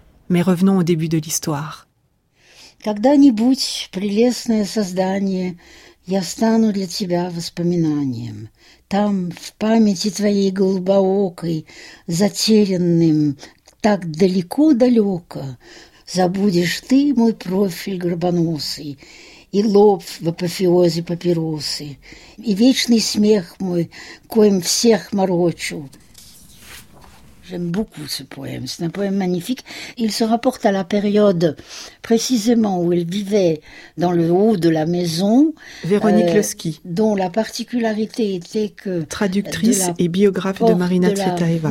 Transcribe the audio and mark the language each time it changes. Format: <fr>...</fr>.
<fr>Mais revenons au début de l'histoire.</fr> <ru>Когда-нибудь, прелестное создание, я стану для тебя воспоминанием. Там, в памяти твоей голубоокой, затерянным так далеко-далеко, забудешь ты мой профиль горбоносый и лоб в апофеозе папиросы, и вечный смех мой, коим всех морочу.</ru> <fr>J'aime beaucoup ce poème, c'est un poème magnifique. Il se rapporte à la période précisément où elle vivait dans le haut de la maison. Véronique Lesky. Dont la particularité était que... Traductrice et biographe de Marina Tsvetaeva.</fr>